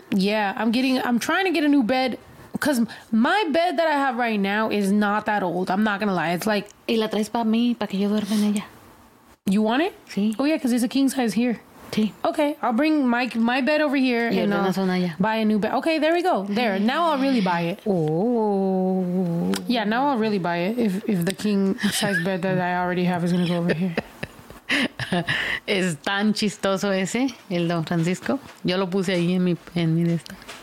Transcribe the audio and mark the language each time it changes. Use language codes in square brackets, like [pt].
[en] Yeah, I'm trying to get a new bed because my bed that I have right now is not that old. I'm not going to lie. It's like. [es] Y la traes para mí, para que yo duerma en ella. [en] You want it? [es] Sí. [en] Oh, yeah, because it's a king size here. [es] Sí. [en] Okay, I'll bring my bed over here [es] y [en] and buy a new bed. Okay, there we go. There. Now I'll really buy it. Oh. Yeah, now I'll really buy it if the king size bed that I already have is going to go over here. [es] Es tan chistoso ese, el Don Francisco. Yo lo puse ahí en mi de esta.